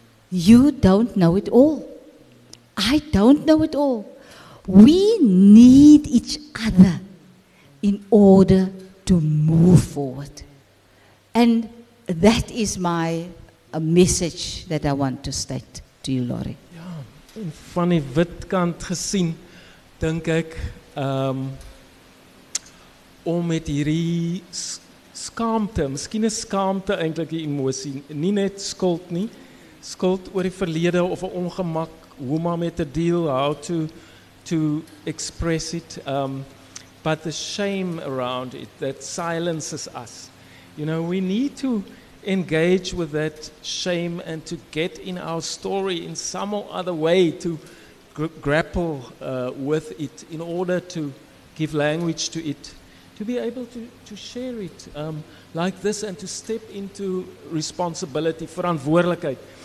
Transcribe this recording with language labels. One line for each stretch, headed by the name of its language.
English: You don't know it all. I don't know it all. We need each other in order to move forward. And that is my message that I want to state to you, Laurie.
Afrikaans: Ja, en van die wit kant gesien, dink ek, om met hierdie skaamte, miskien is skaamte eintlik die emosie, nie net skuld nie, skuld oor die verlede of 'n ongemak, hoe maar met 'n deal,
English: how to express it, but the shame around it that silences us. You know, we need to engage with that shame and to get in our story in some or other way to grapple with it in order to give language to it, to be able to share it like this and to step into responsibility, verantwoordelikheid.